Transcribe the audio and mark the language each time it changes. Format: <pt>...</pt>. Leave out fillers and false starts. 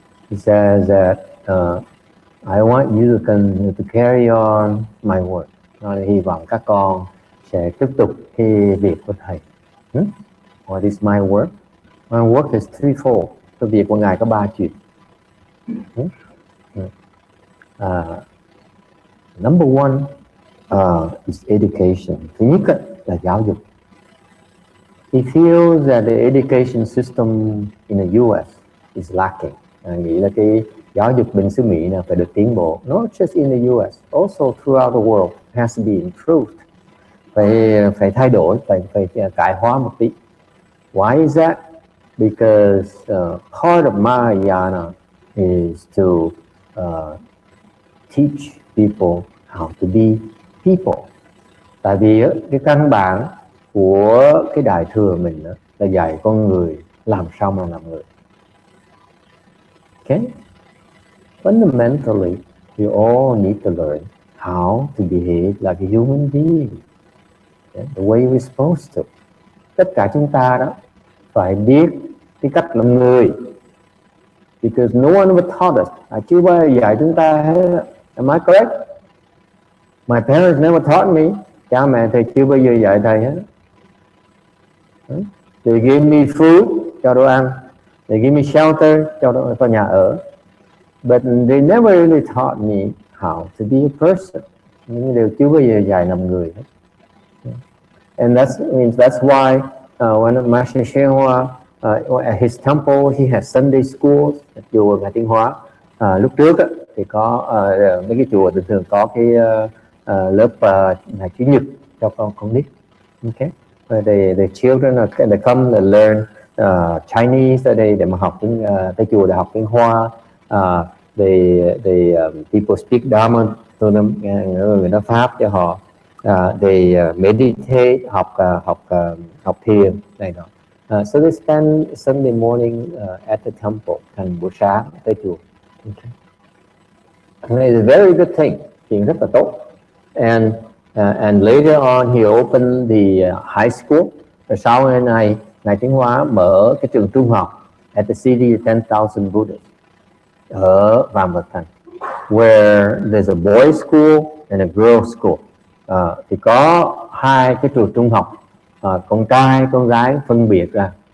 <en>He says that I want you to continue to carry on my work.</en> <vi>Ngài hy vọng các con sẽ tiếp tục cái việc của thầy.</vi> <en>What is my work? My work is threefold.</en> <vi>Cái việc của ngài có ba chuyện.</vi> <en>Number one is education.</en> <vi>Thứ nhất là giáo dục.</vi> <en>He feels that the education system in the U.S. is lacking.</en> <vi>Nghĩ là cái giáo dục bên xứ Mỹ là phải được tiến bộ.</vi> <en>Not just in the U.S. Also throughout the world has to be improved.</en> <vi>Phải thay đổi, phải cải hóa một tí.</vi> <en>Why is that? Because part of Mahayana is to teach people how to be people.</en> <vi>Tại vì cái căn bản của cái đại thừa mình đó, là dạy con người làm sao mà làm người.</vi> <en>Okay? Fundamentally, we all need to learn how to behave like a human being. Okay? The way we're supposed to.</en> <vi>Tất cả chúng ta đó phải biết cái cách làm người.</vi> <en>Because no one ever taught us.</en> <vi>Chưa bao giờ dạy chúng ta hết.</vi> <en>Am I correct? My parents never taught me.</en> <vi>Cha mẹ thầy chưa bao giờ dạy thầy hết.</vi> <en>They gave me food,</en> <vi>cho đồ ăn.</vi> <en>They gave me shelter,</en> <vi>cho đồ ăn, nhà ở.</vi> <en>But they never really taught me how to be a person.</en> <vi>Nhưng đều chưa bao giờ dạy làm người hết.</vi> <en>And that means that's why when Master Hsuan Hua at his temple, he has Sunday schools.</en> <vi>Chùa Ngài Tinh Hóa lúc trước á, thì có mấy cái chùa thường thường có cái lớp ngày chủ nhật cho con nít.</vi> <en>Okay, where the children they come to learn Chinese</en> <vi>ở đây để mà học tiếng tại chùa để học tiếng Hoa.</vi> <en>People speak Dharma to them,</en> <vi>người nói Pháp cho họ.</vi> <en>Meditate,</en> <vi>học thiền này đó.</vi> <en>So they spend Sunday morning at the temple,</en> <vi>thành buổi sáng tới chùa.</vi> <en>Okay. It's a very good thing,</en> <vi>chuyện rất là tốt.</vi> <en>And later on he opened the high school.</en> <vi>Rồi sau này Ngài Tinh Hóa mở cái trường trung học</vi> <en>at the city of 10,000 Buddhas</en> <vi>ở Vạn Vật Thành,</vi> <en>where there's a boys school and a girls school.</en> <vi>Thì có hai cái trường trung học. Con trai, con gái phân biệt ra.</vi>